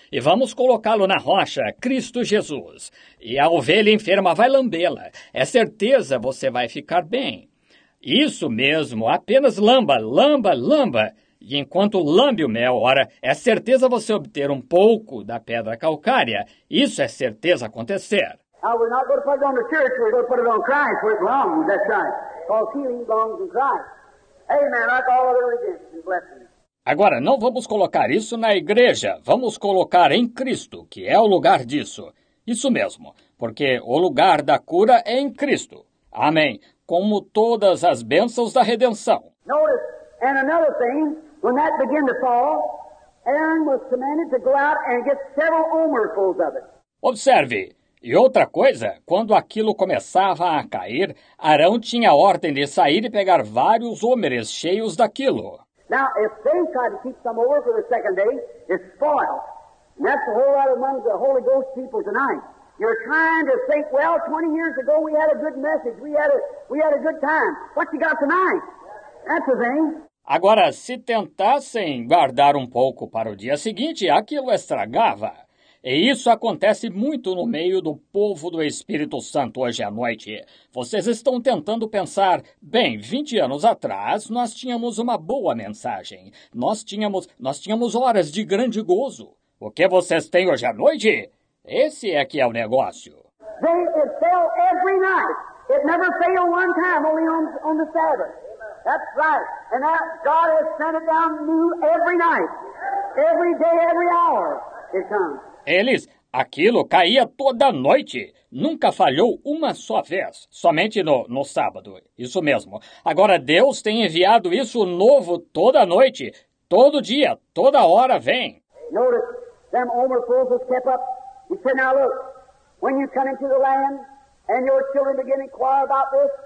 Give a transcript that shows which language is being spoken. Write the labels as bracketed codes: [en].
[pt] E vamos colocá-lo na rocha, Cristo Jesus. E a ovelha enferma vai lambê-la. É certeza você vai ficar bem. Isso mesmo, apenas lamba, lamba, lamba. E enquanto lambe o mel, ora, é certeza você obter um pouco da pedra calcária. Isso é certeza acontecer. [en] Now we're not going to put it on the church, we're going to put it on Christ, where it belongs, that's right. Because healing belongs in Christ. Amen, like all other religions, and blessings. [pt] Agora, não vamos colocar isso na igreja, vamos colocar em Cristo, que é o lugar disso. Isso mesmo, porque o lugar da cura é em Cristo. Amém, como todas as bênçãos da redenção. [en] Notice, and another thing, when that began to fall, Aaron was commanded to go out and get several omerfuls of it. [pt] Observe. E outra coisa, quando aquilo começava a cair, Arão tinha a ordem de sair e pegar vários homeres cheios daquilo. [en] Now, if they try to keep some over for the second day, it's spoiled. And that's the whole lot among the Holy Ghost people tonight. You're trying to think, well, 20 years ago we had a good message, we had a good time. What you got tonight? That's the thing. [pt] Agora, se tentassem guardar um pouco para o dia seguinte, aquilo estragava. E isso acontece muito no meio do povo do Espírito Santo hoje à noite. Vocês estão tentando pensar, bem, 20 anos atrás nós tínhamos uma boa mensagem. Nós tínhamos horas de grande gozo. O que vocês têm hoje à noite? Esse é que é o negócio. [en] It fell every night. It never failed one time, only on the Sabbath. That's right. And that God has sent it down new every night. Every day, every hour it comes. [pt] Eles, aquilo caía toda noite, nunca falhou uma só vez, somente no sábado, isso mesmo. Agora Deus tem enviado isso novo toda noite, todo dia, toda hora vem. [en] Notice, them omerfuls was kept up. He said, now look, when you come into the land, and your children begin to inquire about this.